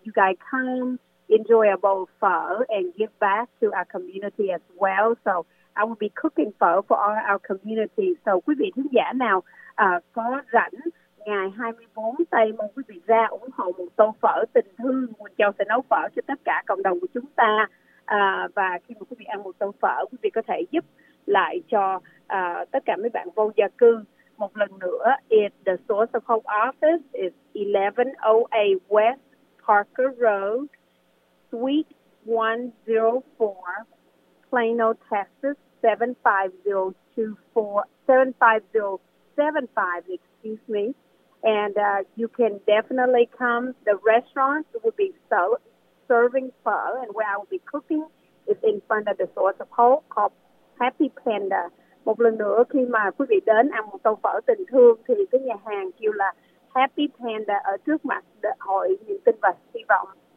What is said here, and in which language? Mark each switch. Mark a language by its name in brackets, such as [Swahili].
[English] You guys come, enjoy a bowl of pho, and give back to our community as well. So I will be cooking pho for all our community. [Vietnamese] So quý vị thính giả nào có rảnh ngày 24 tây, mong quý vị ra ủng hộ một tô phở tình thương. Quỳnh Châu sẽ nấu phở cho tất cả cộng đồng của chúng ta. Và khi mà quý vị ăn một tô phở, quý vị có thể giúp lại cho tất cả mấy bạn vô gia cư. Một lần nữa, [English] the source of home office is 1108 West Parker Road, Suite 104, Plano, Texas, 75075, and you can definitely come. The restaurant will be serving pho, and where I will be cooking is in front of the Source of Hope called Happy Panda. [Vietnamese] Một lần nữa, khi mà quý vị đến ăn một tô phở tình thương thì cái nhà hàng kêu là Happy Panda ở trước mặt đại hội niềm tin và hy vọng.